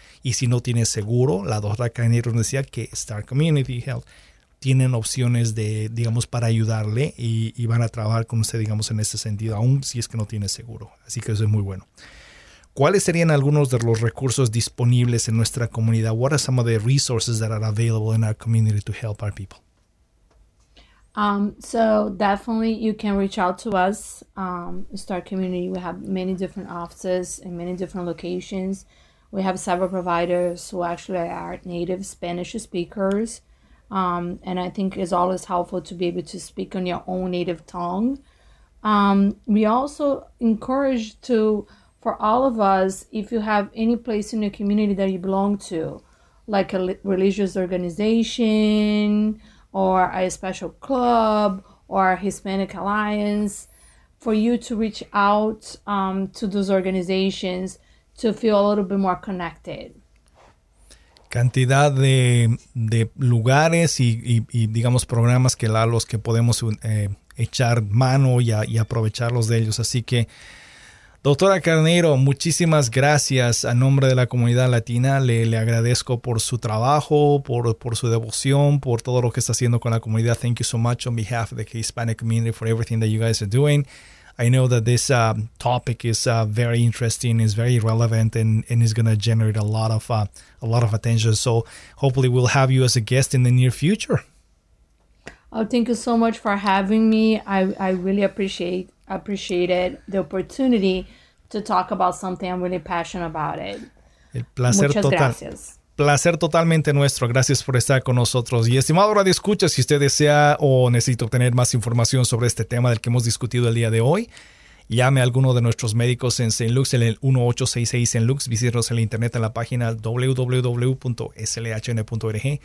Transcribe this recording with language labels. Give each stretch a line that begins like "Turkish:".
Spanish: Y si no tiene seguro, la doctora Carneiro nos decía que Star Community Health tienen opciones de, digamos, para ayudarle y van a trabajar con usted, digamos, en ese sentido, aun si es que no tiene seguro. Así que eso es muy bueno. ¿Cuáles serían algunos de los recursos disponibles en nuestra comunidad?
English: What are some of the resources that are available in our community to help our people? So definitely you can reach out to us, Star Community. We have many different offices in many different locations. We have several providers who actually are native Spanish speakers. And I think it's always helpful to be able to speak on your own native tongue. We also encourage to... For all of us, if you have any place in the community that you belong to, like a religious organization or a special club or a Hispanic Alliance, for you to reach out to those organizations to feel a little bit more connected.
Spanish: Cantidad de lugares y digamos programas que los que podemos echar mano y aprovecharlos de ellos. Así que doctora Carneiro, muchísimas gracias a nombre de la comunidad latina. Le agradezco por su trabajo, por su devoción, por todo lo que está haciendo con la comunidad.
English: Thank you so much on behalf of the Hispanic community for everything that you guys are doing. I know that this topic is very interesting, is very relevant, and is going to generate a lot of attention. So hopefully we'll have you as a guest in the near future. Oh, thank you so much for having me. I really appreciated the opportunity to talk about something I'm really passionate about it.
Spanish: El placer Muchas total. Gracias. Placer totalmente nuestro. Gracias por estar con nosotros. Y estimado Radio Escucha, si usted desea o necesita obtener más información sobre este tema del que hemos discutido el día de hoy, llame a alguno de nuestros médicos en St. Luke's en el 1-866-SAINT-LUKE. Visítenos en la internet en la página www.slhn.org.